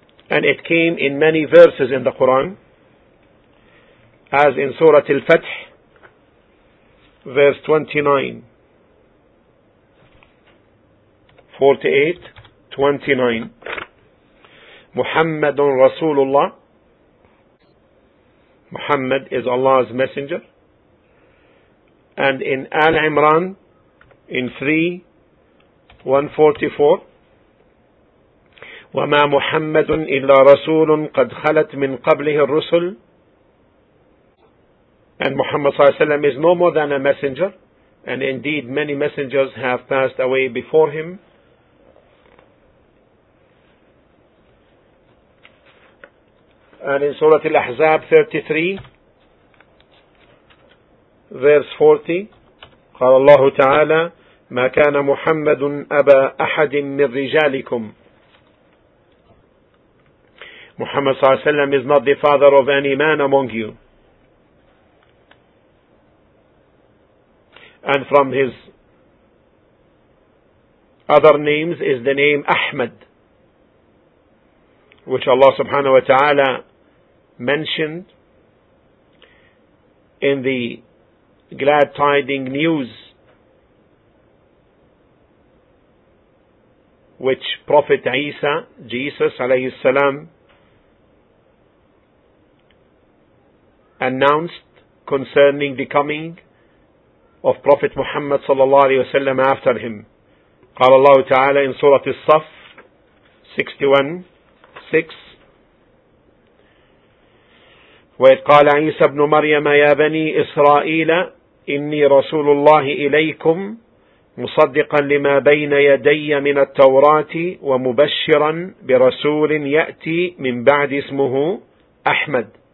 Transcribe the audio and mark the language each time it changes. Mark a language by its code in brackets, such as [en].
[en] And it came in many verses in the Quran, as in Surah Al-Fath, verse 29, 48, 29. [ar] محمد رسول الله. [en] Muhammad is Allah's messenger. And in Al Imran, in 3:144, [ar] وما محمد إلا رسول قد خلت من قبله الرسل. [en] And Muhammad [ar] صلى الله عليه وسلم [en] is no more than a messenger. And indeed, many messengers have passed away before him. And in Surah Al-Ahzab 33:40, [ar] قال الله تعالى ما كان محمد أبا أحد من رجالكم. [en] Muhammad [ar] صلى الله عليه وسلم [en] is not the father of any man among you. And from his other names is the name Ahmad, which Allah subhanahu wa ta'ala mentioned in the glad tiding news which Prophet Isa, Jesus alayhi salam, announced concerning the coming of Prophet Muhammad sallallahu alayhi wa sallam after him. [ar] Qala Allah ta'ala in Surah As-Saff 61:6, وَإِذْ قَالَ عِيسَى ابْنُ مَرْيَمَ يَا بَنِي إِسْرَائِيلَ إِنِّي رَسُولُ اللَّهِ إِلَيْكُمْ مُصَدِّقًا لِمَا بَيْنَ يَدَيَّ مِنَ التَّوْرَاةِ وَمُبَشِّرًا بِرَسُولٍ يَأْتِي مِنْ بَعْدِ اسْمُهُ أَحْمَد.